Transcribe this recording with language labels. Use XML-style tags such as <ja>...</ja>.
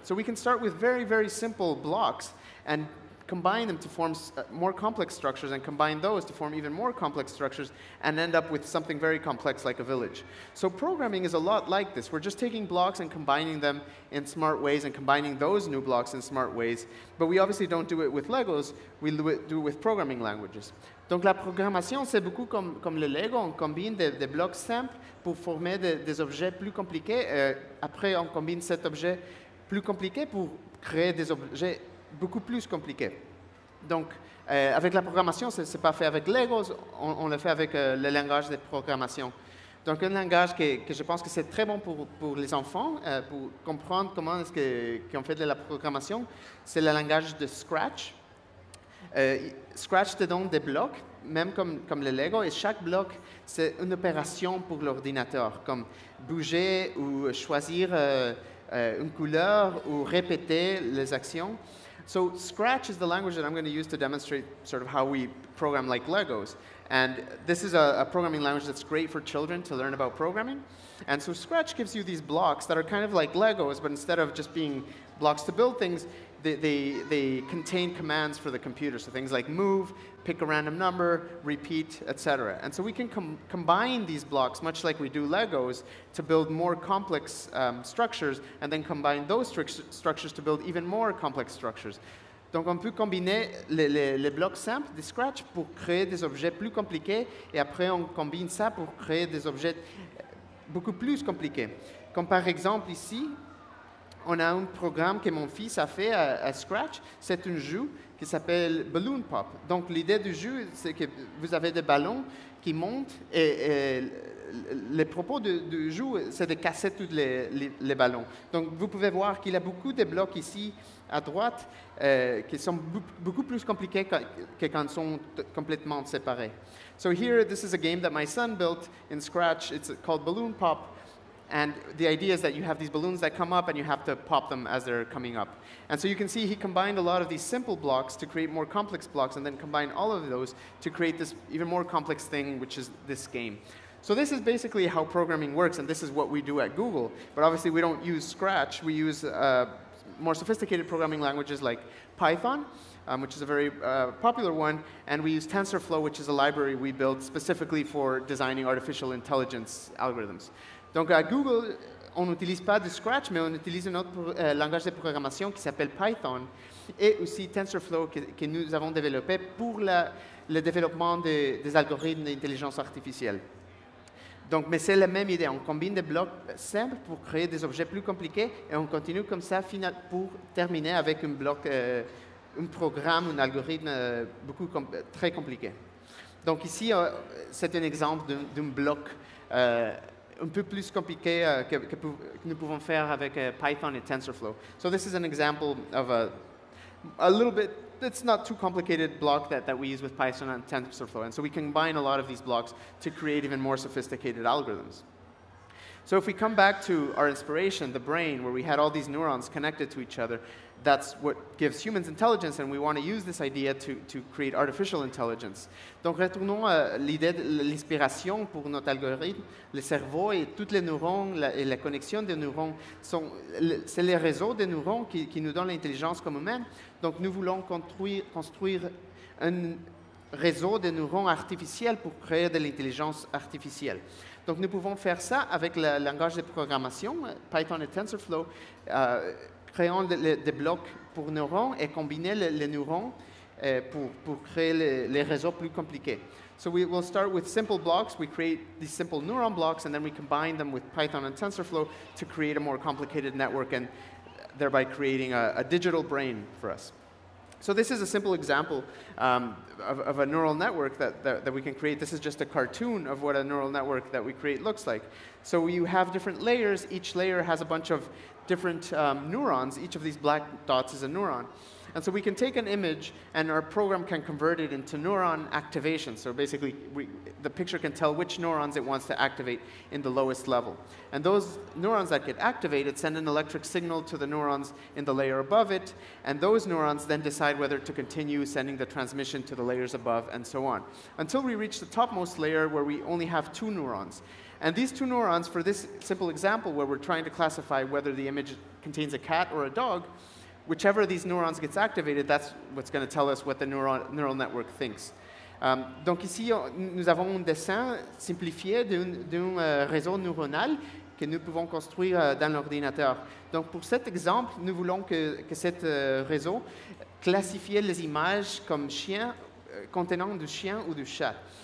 <en>So we can start with very, very simple blocks and combine them to form more complex structures and combine those to form even more complex structures and end up with something very complex like a village. So programming is a lot like this. We're just taking blocks and combining them in smart ways and combining those new blocks in smart ways. But we obviously don't do it with Legos. We do it with programming languages.</en> <fr>Donc la programmation, c'est beaucoup comme le Lego. On combine des blocs simples pour former des objets plus compliqués. Après, on combine cet objet plus compliqué pour créer des objets beaucoup plus compliqué. Donc, avec la programmation, ce n'est pas fait avec Lego, on le fait avec le langage de programmation. Donc, un langage que je pense que c'est très bon pour les enfants, pour comprendre comment est-ce qu'on fait de la programmation, c'est le langage de Scratch. Scratch te donne des blocs, même comme le Lego, et chaque bloc, c'est une opération pour l'ordinateur, comme bouger ou choisir une couleur ou répéter les actions.</fr> <en>So Scratch is the language that I'm going to use to demonstrate sort of how we program like Legos. And this is a programming language that's great for children to learn about programming. And so Scratch gives you these blocks that are kind of like Legos, but instead of just being blocks to build things, they contain commands for the computer. So things like move, pick a random number, repeat, etc. And so we can combine these blocks, much like we do Legos, to build more complex structures, and then combine those structures to build even more complex structures.</en> <fr>Donc on peut combiner les blocs simples de Scratch pour créer des objets plus compliqués, et après on combine ça pour créer des objets beaucoup plus compliqués. Comme par exemple ici, on a un programme que mon fils a fait à Scratch. C'est un jeu qui s'appelle Balloon Pop. Donc l'idée du jeu, c'est que vous avez des ballons qui montent et le propos du jeu, c'est de casser tous les ballons. Donc vous pouvez voir qu'il y a beaucoup de blocs ici à droite qui sont beaucoup plus compliqués que quand ils sont complètement séparés.</fr> <en>So here, this is a game that my son built in Scratch. It's called Balloon Pop. And the idea is that you have these balloons that come up and you have to pop them as they're coming up. And so you can see he combined a lot of these simple blocks to create more complex blocks and then combine all of those to create this even more complex thing, which is this game. So this is basically how programming works, and this is what we do at Google. But obviously we don't use Scratch. We use more sophisticated programming languages like Python, which is a very popular one, and we use TensorFlow, which is a library we built specifically for designing artificial intelligence algorithms.</en> <fr>Donc à Google, on n'utilise pas de Scratch, mais on utilise un autre langage de programmation qui s'appelle Python et aussi TensorFlow que nous avons développé pour le développement des algorithmes d'intelligence artificielle. Donc, mais c'est la même idée. On combine des blocs simples pour créer des objets plus compliqués et on continue comme ça pour terminer avec un bloc, un programme, un algorithme très compliqué. Donc ici, c'est un exemple d'un bloc un peu plus compliqué que nous pouvons faire avec Python et TensorFlow.</fr> <en>So this is an example of a little bit, it's not too complicated block that we use with Python and TensorFlow. And so we combine a lot of these blocks to create even more sophisticated algorithms. So if we come back to our inspiration, the brain, where we had all these neurons connected to each other, that's what gives humans intelligence, and we want to use this idea to create artificial intelligence.</en> <fr>Donc retournons à l'idée de l'inspiration pour notre algorithme. Le cerveau et toutes les neurones et la connexion des neurones sont c'est les réseaux des neurones qui nous donnent l'intelligence comme humains. Donc nous voulons construire un réseau de neurones artificiels pour créer de l'intelligence artificielle. Donc nous pouvons faire ça avec le langage de programmation Python et TensorFlow. Créons des blocs pour neurones et combiner les neurones pour créer les réseaux plus compliqués.</fr> <en>So we will start with simple blocks. We create these simple neuron blocks, and then we combine them with Python and TensorFlow to create a more complicated network, and thereby creating a digital brain for us. So this is a simple example of a neural network that we can create. This is just a cartoon of what a neural network that we create looks like. So you have different layers. Each layer has a bunch of different neurons. Each of these black dots is a neuron. And so we can take an image, and our program can convert it into neuron activation. So basically, the picture can tell which neurons it wants to activate in the lowest level. And those neurons that get activated send an electric signal to the neurons in the layer above it, and those neurons then decide whether to continue sending the transmission to the layers above, and so on, until we reach the topmost layer where we only have two neurons. And these two neurons, for this simple example where we're trying to classify whether the image contains a cat or a dog, whichever of these neurons gets activated, that's what's going to tell us what the neural network thinks.</en> <fr>Donc ici, nous avons un dessin simplifié d'un réseau neuronal que nous pouvons construire dans l'ordinateur. Donc pour cet exemple, nous voulons que cet réseau classifie les images comme chien, contenant du chien ou du chat.</fr>